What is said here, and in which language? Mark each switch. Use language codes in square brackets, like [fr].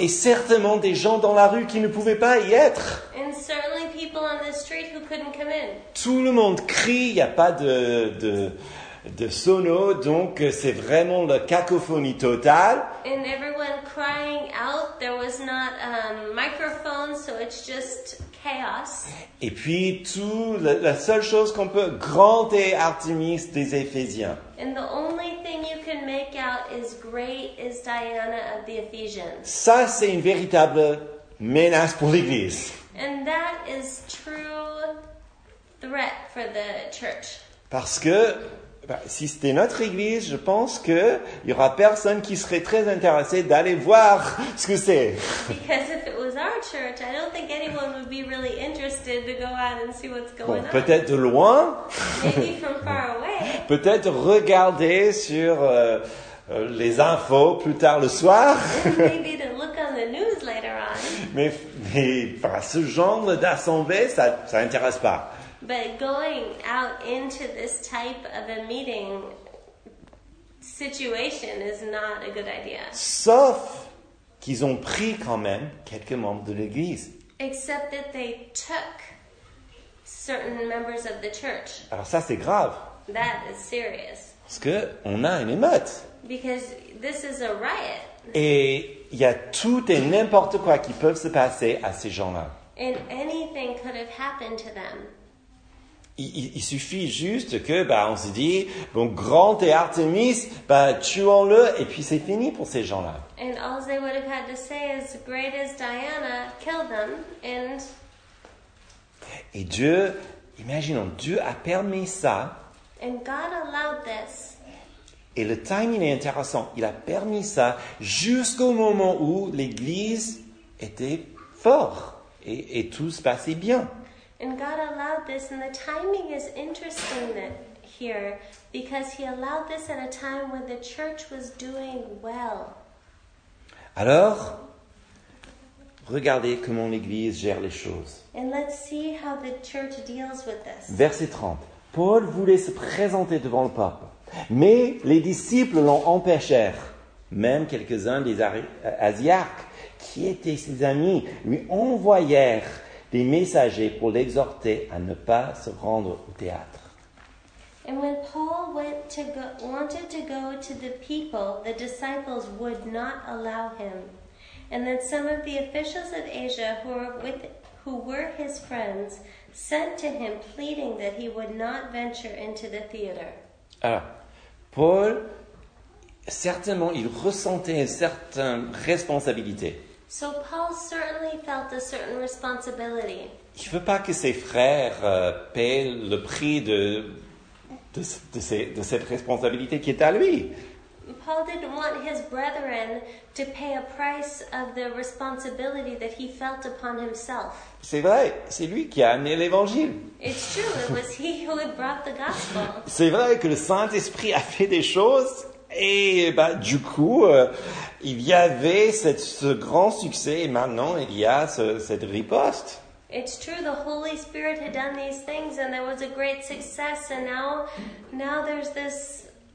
[fr] Et certainement des gens dans la rue qui ne pouvaient pas y être. [en] And certainly people on the street who couldn't come in. [fr] Tout le monde crie, il n'y a pas de sono, donc c'est vraiment la cacophonie totale. [en] And everyone crying out, there was not a microphone, so it's just chaos. [fr] Et puis tout, la seule chose qu'on peut, grande est Artémis des Éphésiens. [en] And the only thing you can make out is great is Diana of the Ephesians. [fr] Ça, c'est une véritable menace pour l'Église. [en] And that is true threat for the church. [fr] Parce que si c'était notre église, je pense qu'il n'y aura personne qui serait très intéressé d'aller voir ce que c'est. [en] Because if it was our church, I don't think anyone would be really interested to go out and see what's going on. [fr] Peut-être de loin. [en] Maybe from far away. [fr] Peut-être regarder sur les infos plus tard le soir. [en] Maybe to look on the news later on. [fr] Mais enfin, ce genre d'assemblée, ça intéresse pas. [en] But going out into this type of a meeting situation is not a good idea. [fr] Sauf qu'ils ont pris quand même quelques membres de l'église. [en] Except that they took certain members of the church. [fr] Alors ça, c'est grave. [en] That is serious. [fr] Parce qu'on a une émeute. [en] Because this is a riot. [fr] Et il y a tout et n'importe quoi qui peut se passer à ces gens-là. [en] And anything could have happened to them. [fr] Il suffit juste que, on se dit, bon, Grant et Artemis, tuons-le, et puis c'est fini pour ces gens-là. [en] And all they would have had to say is, great as Diana, kill them, and... [fr] Et Dieu, imaginons, Dieu a permis ça. [en] And God allowed this. [fr] Et le timing est intéressant. Il a permis ça jusqu'au moment où l'Église était forte et tout se passait bien. [en] And God allowed this, and the timing is interesting here because He allowed this at a time when the church was doing well. [fr] Alors, regardez comment l'Église gère les choses. [en] And let's see how the church deals with this. [fr] Verset 30. Paul voulait se présenter devant le pape, mais les disciples l'ont empêchèrent. Même quelques-uns des Asiarques, qui étaient ses amis, lui envoyèrent des messagers pour l'exhorter à ne pas se rendre au théâtre. [en] And when Paul wanted to go to the people, the disciples would not allow him. And then some of the officials of Asia who were his friends sent to him pleading that he would not venture into the theater. [fr] Ah, Paul, certainement il ressentait une certaine responsabilité. [en] So Paul certainly felt a certain responsibility. [fr] Il veut pas que ses frères paient le prix de cette responsabilité qui est à lui. [en] Paul didn't want his brethren to pay a price of the responsibility that he felt upon himself. [fr] C'est vrai, c'est lui qui a amené l'évangile. [en] It's true, it was he who had brought the gospel. [fr] C'est vrai que le Saint-Esprit a fait des choses. Et du coup, il y avait ce grand succès et maintenant il y a cette riposte. [en] It's true, the Holy Spirit had done these things and there was a great success and now there's this...